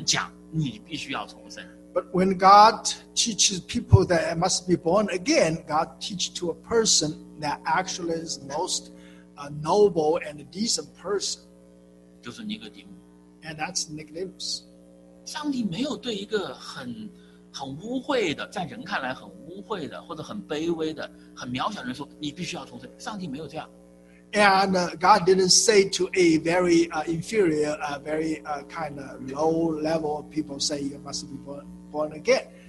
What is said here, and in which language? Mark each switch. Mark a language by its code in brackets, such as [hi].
[zh] 但是上帝要让人重生的时候，上帝对这个世界上一个非常好的人、非常所谓高尚的人讲：“你必须要重生。” [en] But when God teaches people that it must be born again, God teaches to a person that actually is most noble and decent person. [zh] 就是尼哥底母。 [en] And that's Nicodemus. [zh] 上帝没有对一个很 很污秽的,在人看来很污秽的,或者很卑微的,很渺小的人说,你必须要重生。上帝没有这样。 [en] And God didn't say to a very inferior, very kind of low level of people, say you must be born again.